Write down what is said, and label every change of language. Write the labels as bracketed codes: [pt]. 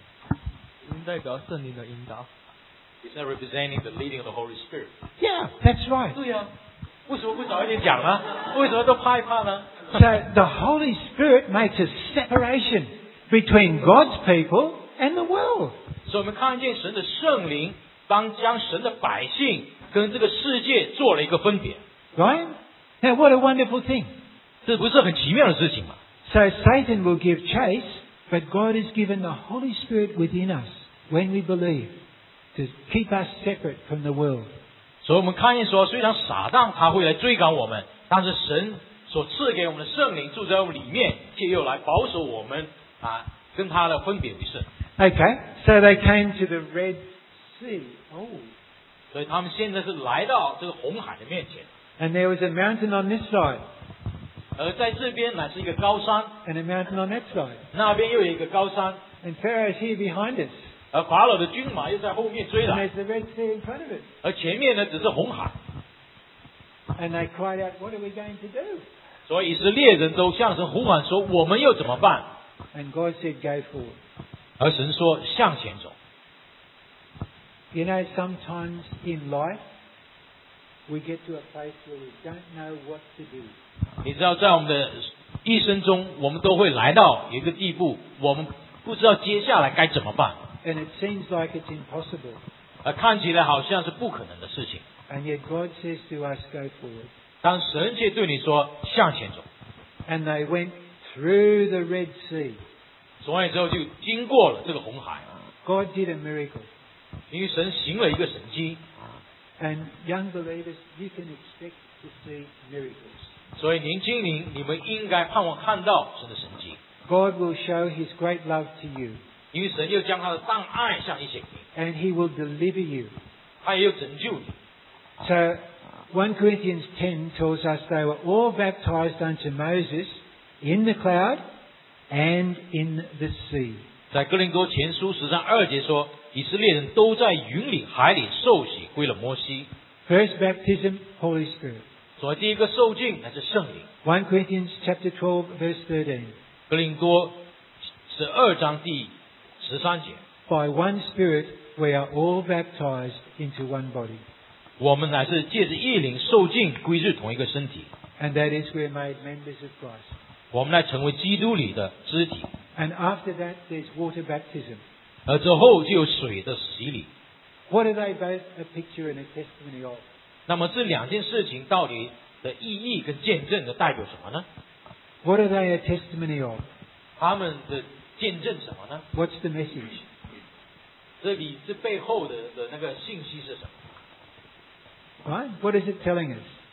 [en] Is that representing the leading of the Holy Spirit? Yeah, that's right. [zh] 对呀、啊，为什么不早一点讲呢？为什么都怕一怕呢 [en] ？So the Holy Spirit makes a separation between God's people and the world. [zh] 所以我们看见神的圣灵当将神的百姓跟这个世界做了一个分别。 [en] Right? Now what a wonderful thing! [zh] 这不是很奇妙的事情吗 [en] ？So Satan will give chase. But God has given the Holy Spirit within us when we believe to keep us separate from the world. So we can see, [zh] 虽然撒旦他会来追赶我们，但是神所赐给我们的圣灵住在我们里面，却又来保守我们啊，跟他的分别为圣。 [en] Okay, so they came to the Red Sea. Oh, [zh] 所以他们现在是来到这个红海的面前。 [en] And there was a mountain on this side. [zh] 而在这边乃是一个高山 [en] and a mountain on that side. [zh] 那边又有一个高山 [en] and Pharaoh is here behind us. [zh] 而法老的军马又在后面追来 [en] and there's the Red Sea in front of us. [zh] 而前面呢只是红海 [en] and they cried out, what are we going to do? [zh] 所以以色列人都向神呼喊说我们又怎么办 [en] and God said, go forward. [zh] 而神说向前走 [en] You know, sometimes in life, we get to a place where we don't know what to do. [zh] 你知道在我们的一生中我们都会来到一个地步我们不知道接下来该怎么办 [en] And it seems like it's impossible. [zh] 而看起来好像是不可能的事情 [en] And yet God says to us, go forward. [zh] 当神却对你说向前走 [en] And they went through the Red Sea. [zh] 所以之后就经过了这个红海 [en] God did a miracle. [zh] 因为神行了一个神迹 [en] And young believers, you can expect to see miracles. [zh] 所以年轻人你们应该盼望看到神的神迹 [en] God will show his great love to you [zh] 因为神又将他的大爱向你显明 [en] And he will deliver you [zh] 他也又拯救你 [en] So 1 Corinthians 10 tells us they were all baptized unto Moses in the cloud and in the sea [zh] 在哥林多前书十章二节说以色列人都在云里海里受洗归了摩西 [en] First baptism Holy Spirit [zh] 所以第一个受浸乃是圣灵 [en] 1 Corinthians chapter 12 verse 13 [zh] 哥林多12章第13节 [en] By one spirit we are all baptized into one body [zh] 我们乃是借着一灵受浸归入同一个身体 [en] And that is we are made members of Christ [zh] 我们乃成为基督里的肢体 [en] And after that there's water baptism [zh] 而之后就有水的洗礼 [en] What are they both a picture and a testimony of? [zh] 那么这两件事情到底的意义跟见证的代表什么呢 [en] What are they a testimony of? [zh] 他们的见证什么呢 [en] What's the message? [zh] 这背后 的那个信息是什么 [en] Right? What is it telling us?